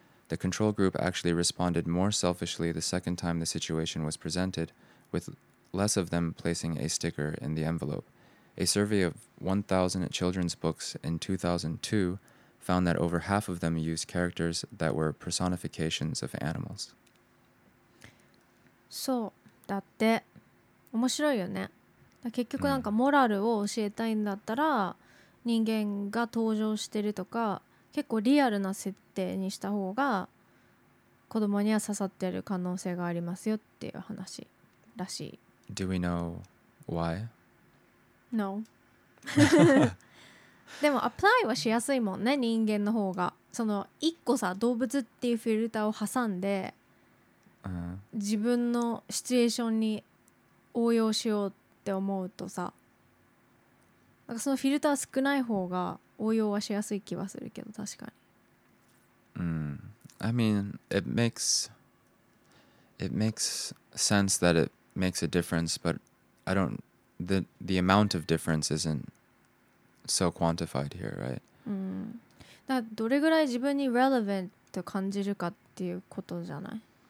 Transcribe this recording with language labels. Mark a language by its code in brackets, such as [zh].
[en] The control group actually responded more selfishly the second time the situation was presented, with less of them placing a sticker in the envelope. A survey of 1,000 children's books in 2002 found that over half of them used characters that were personifications of animals. [ja] そう、だって面白いよね。だ結局なんかモラルを教えたいんだったら、人間が登場してるとか結構リアルな設定にした方が子供には刺さってる可能性がありますよっていう話らしい。 [en] Do we know why? No. [ja] でもアプライはしやすいもんね、人間の方が。その一個さ、動物っていうフィルターを挟んで、自分のシチュエーションに応用しようって思うとさ、なんかそのフィルター少ない方が応用はしやすい気はするけど、確かに。 [en] I mean, it makes sense that it makes a difference, but I don't. The amount of difference isn't so quantified here, right? [ja] だからどれぐらい自分に relevant と感じるかっていうことじゃない?